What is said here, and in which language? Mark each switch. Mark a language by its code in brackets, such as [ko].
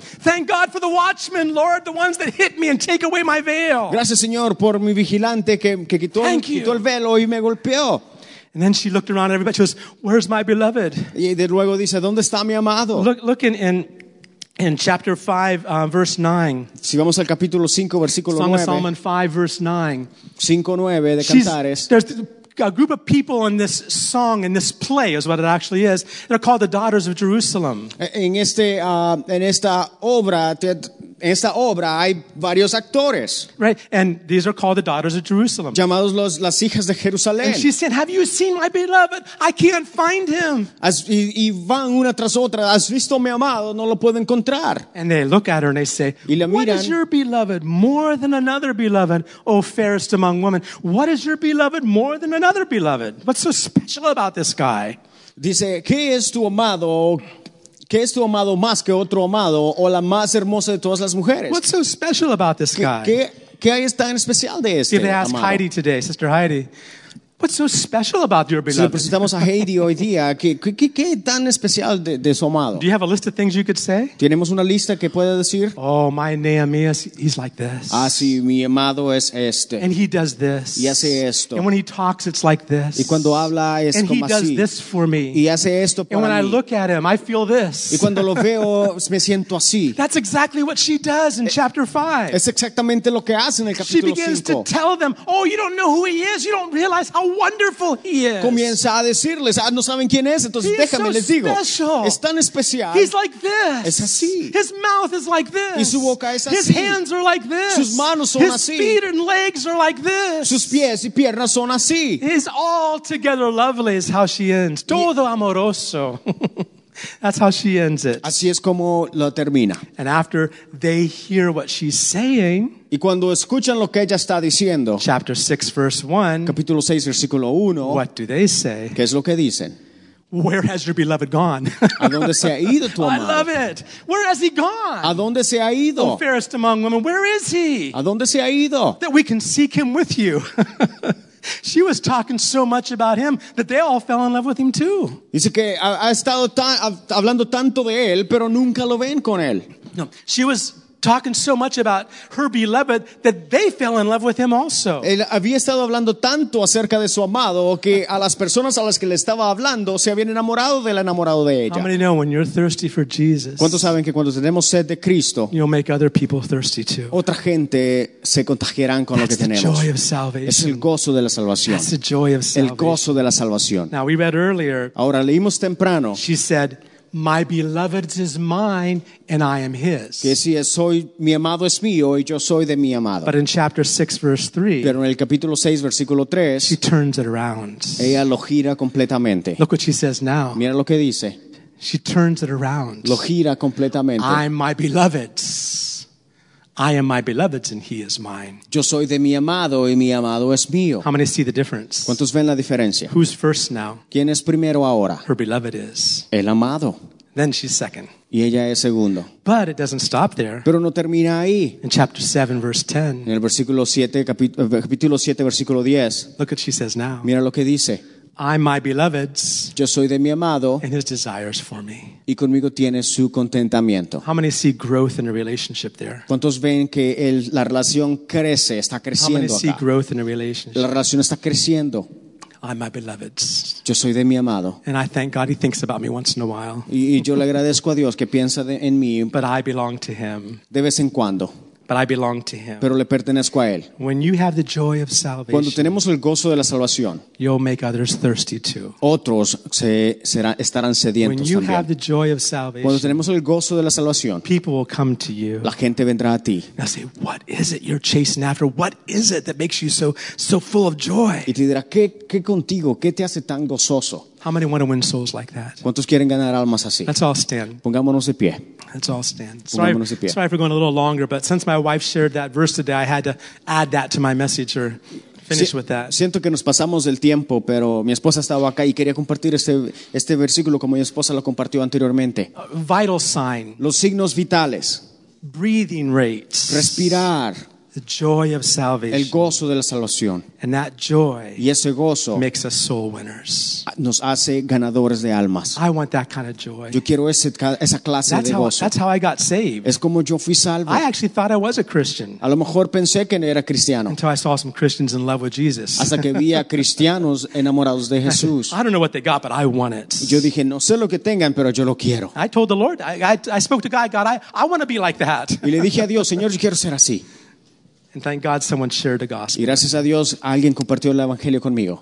[en] Thank God for the watchmen, Lord, the ones that hit me and take away my veil. [es] Gracias, Señor, por mi vigilante que quitó el velo y me golpeó. [en] And then she looked around at everybody. She goes, where's my beloved? [es] Y de luego dice, ¿dónde está mi amado? [en] Look in chapter 5, verse 9. [es] Si vamos al capítulo 5, versículo 9. [en] Song of Solomon 5, verse 9. [es] 5:9 de Cantares. [en] A group of people in this song, in this play, is what it actually is. They're called the Daughters of Jerusalem. [es] En esta obra, en esta obra hay varios actores. [en] Right, and these are called the daughters of Jerusalem. [es] Llamados los, las hijas de Jerusalén. [en] And she said, "Have you seen my beloved? I can't find him." [es] As, y van una tras otra. ¿Has visto mi amado? No lo puedo encontrar. [en] And they look at her and they say, "What is your beloved more than another beloved, O fairest among women? What is your beloved more than another beloved? What's so special about this guy?" [es] Dice, ¿qué es tu amado? ¿Qué es tu amado más que otro amado o la más hermosa de todas las mujeres? [en] What's so special about this guy? [es] ¿Qué es tan especial de este amado? [en] They ask Heidi today, Sister Heidi, what's so special about your beloved? [es] Si le presentamos a Heidi hoy día, ¿qué tan especial de su amado? [en] Do you have a list of things you could say? [es] ¿Tenemos una lista que pueda decir? [en] Oh, my Nehemiah, he's like this. [es] Ah, sí, mi amado es este. [en] And he does this. [es] Y hace esto. [en] And when he talks, it's like this. [es] Y cuando habla es como así. [en] And he does this for me. [es] Y hace esto para mí. [en] And when [es] mí. [en] I look at him, I feel this. [es] Y cuando lo veo, me siento así. [en] That's exactly what she does in chapter 5. [es] Es exactamente lo que hace en el capítulo 5. [en] She begins to tell them, oh, you don't know who he is, you don't realize how wonderful he is. [es] Comienza a decirles, ah, no saben quién es, entonces déjame les digo. Es tan especial. [en] He's like this. [es] Es así. [en] His mouth is like this. [es] Y su boca es así. [en] His hands are like this. [es] Sus manos son [en] His [es] así. [en] His feet and legs are like this. [es] Sus pies y piernas son así. [en] He's altogether lovely is how she ends. [es] Todo amoroso. [en] That's how she ends it. [es] Así es como lo termina. [en] And after they hear what she's saying, [es] y cuando escuchan lo que ella está diciendo, [en] chapter 6, verse 1, [es] capítulo 6, versículo 1, [en] what do they say? [es] ¿Qué es lo que dicen? [en] Where has your beloved gone? [es] ¿A dónde se ha ido tu amado? [en] I love it. Where has he gone? [es] ¿A dónde se ha ido? [en] Oh, fairest among women, where is he? [es] ¿A dónde se ha ido? [en] That we can seek him with you. She was talking so much about him that they all fell in love with him too. [es] Dice que ha estado hablando tanto de él, pero nunca lo ven con él. [en] No, she was talking so much about her beloved that they fell in love with him also. [es] Él había estado hablando tanto acerca de su amado que a las personas a las que le estaba hablando se habían enamorado del enamorado de ella. [en] How many know when you're thirsty for Jesus? [es] ¿Cuántos saben que cuando tenemos sed de Cristo, [en] you'll make other people thirsty too? [es] Otra gente se contagiarán con lo que tenemos. [en] That's the joy of salvation. [es] Es el gozo de la salvación. [en] That's the joy of salvation. [es] El gozo de la salvación. [en] Now we read earlier. [es] Ahora leímos temprano. [en] She said, "My beloved is mine, and I am his." [es] Que si es, soy, mi amado es mío, y yo soy de mi amado. [en] But in chapter 6, verse 3, [es] pero en el capítulo 6, versículo 3, [en] she turns it around. [es] Ella lo gira completamente. [en] Look what she says now. [es] Mira lo que dice. [en] She turns it around. [es] Lo gira completamente. [en] I'm my beloved's. I am my beloved's, and he is mine. [es] Yo soy de mi amado, y mi amado es mío. [en] How many see the difference? [es] ¿Cuántos ven la diferencia? [en] Who's first now? [es] ¿Quién es primero ahora? [en] Her beloved is. [es] El amado. [en] Then she's second. [es] Y ella es segundo. [en] But it doesn't stop there. [es] Pero no termina ahí. [en] In chapter 7, verse 10. [es] En el versículo 7, capítulo 7, versículo 10. [en] Look what she says now. [es] Mira lo que dice. [en] I'm my beloved's. [es] Yo soy de mi amado. [en] And his desires for me. [es] Y conmigo tiene su contentamiento. [en] How many see growth in a relationship there? [es] ¿Cuántos ven que la relación crece, está creciendo? [en] How many see growth in a relationship? [es] La relación está creciendo. [en] I'm my beloved's. [es] Yo soy de mi amado. [en] And I thank God he thinks about me once in a while. [es] Y yo le agradezco a Dios que piensa en mí. [en] But I belong to him. [es] De vez en cuando. [en] But I belong to him. [es] Pero le pertenezco a él. [en] When you have the joy of salvation, [es] cuando tenemos el gozo de la salvación, [en] you'll make others thirsty too. [es] Otros estarán sedientos [en] when you [es] también. [en] Have the joy of salvation, [es] cuando tenemos el gozo de la salvación, [en] people will come to you. [es] La gente vendrá a ti. [en] And say, "What is it you're chasing after? What is it that makes you so full of joy?" [es] Y te dirá, ¿qué contigo? ¿Qué te hace tan gozoso? [en] How many want to win souls like that? [es] ¿Cuántos quieren ganar almas así? [en] Let's all stand. [es] Pongámonos de pie. [en] Let's all stand. Sorry for going a little longer, but since my wife shared that verse today, I had to add that to my message or finish with that. [es] Siento que nos pasamos del tiempo, pero mi esposa estaba acá y quería compartir este versículo como mi esposa lo compartió anteriormente. [en] Vital sign. [es] Los signos vitales. [en] Breathing rates. [es] Respirar. [en] The joy of salvation. [es] El gozo de la salvación. [en] And that joy. [es] Y ese gozo. [en] Makes us soul winners. [es] Nos hace ganadores de almas. [en] I want that kind of joy. [es] Yo quiero esa clase [en] that's [es] de [en] how, [es] gozo. [en] That's how I got saved. [es] Es como yo fui salvo. [en] I actually thought I was a Christian. [es] A lo mejor pensé que no era cristiano. [en] Until I saw some Christians in love with Jesus. [es] Hasta que vi a cristianos enamorados de Jesús. [en] I don't know what they got, but I want it. [es] Yo dije, no sé lo que tengan, pero yo lo quiero. [en] I told the Lord, I spoke to God, I want to be like that. [es] Y le dije a Dios, Señor, yo quiero ser así. [en] And thank God someone shared the gospel. [es] Y gracias a Dios alguien compartió el evangelio conmigo.